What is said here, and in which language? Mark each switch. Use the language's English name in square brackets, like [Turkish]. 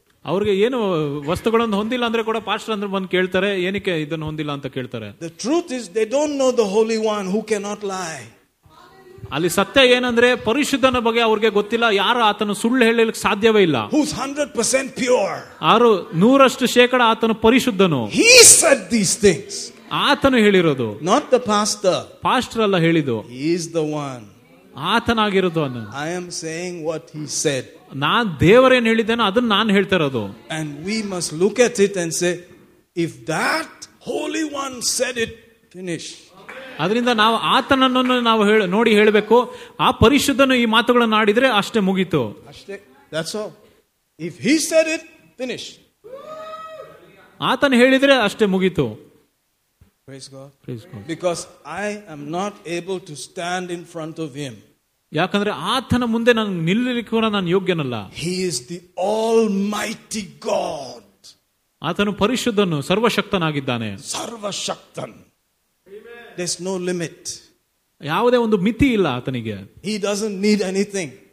[Kannada] ಅವ್ರಿಗೆ ಏನು ವಸ್ತುಗಳನ್ನು ಹೊಂದಿಲ್ಲ ಅಂದ್ರೆ ಕೂಡ ಪಾಸ್ಟರ್ ಅಂದ್ರೆ ಬಂದು ಕೇಳ್ತಾರೆ, ಏನಕ್ಕೆ ಇದನ್ನು ಹೊಂದಿಲ್ಲ ಅಂತ ಕೇಳ್ತಾರೆ. [English] The truth is they don't know the Holy One who cannot lie. [Kannada] ಅಲ್ಲಿ ಸತ್ಯ ಏನಂದ್ರೆ ಪರಿಶುದ್ಧನ ಬಗ್ಗೆ ಅವ್ರಿಗೆ ಗೊತ್ತಿಲ್ಲ. ಯಾರು ಆತನ ಸುಳ್ಳು ಹೇಳಲಿಕ್ಕೆ ಸಾಧ್ಯವೇ ಇಲ್ಲ. [English] Who's 100% pure? [Kannada] ಆರು ನೂರಷ್ಟು ಶೇಕಡ ಆತನ ಪರಿಶುದ್ಧನು. [English] He said these things. [Kannada] ಆತನು ಹೇಳಿರೋದು. [English] Not the pastor. [Kannada] ಪಾಸ್ಟರ್ ಅಲ್ಲ ಹೇಳಿದ್ದು. [English] He is the one. [Kannada] ಆತನಾಗಿರೋದು ಅನ್ನ. [English] I am saying what he said. [Kannada] ನಾನು ದೇವರೇನ್ ಹೇಳಿದ್ದೇನೋ ಅದನ್ನ ನಾನು ಹೇಳ್ತಾ ಇರೋದು. [English] And we must look at it and say, if that holy one said it, finish. [Kannada] ಅದರಿಂದ ನಾವು ಆತನನ್ನು ನಾವು ನೋಡಿ ಹೇಳಬೇಕು, ಆ ಪರಿಶುದ್ಧನು ಈ ಮಾತುಗಳನ್ನು ಆಡಿದ್ರೆ ಅಷ್ಟೇ ಮುಗೀತು. ಅಷ್ಟೇ. [English] That's all. If he said it, finish. [Kannada] ಆತನ ಹೇಳಿದ್ರೆ ಅಷ್ಟೇ ಮುಗೀತು. [English] Praise God. Praise God. Because I am not able to stand in front of him. [Kannada] ಯಾಕಂದ್ರೆ ಆತನ ಮುಂದೆ ನಾನು ನಿಲ್ಲಲಿಕ್ಕೆ ಕೂಡ ನಾನು ಯೋಗ್ಯನಲ್ಲ. [English] He is the Almighty God. [Kannada] ಆತನು ಪರಿಶುದ್ಧನು, ಸರ್ವಶಕ್ತನಾಗಿದ್ದಾನೆ. [English] ಸರ್ವಶಕ್ತನ್. There's no limit. [Kannada] ಯಾವುದೇ ಒಂದು ಮಿತಿ ಇಲ್ಲ ಆತನಿಗೆ. [English] He doesn't need anything.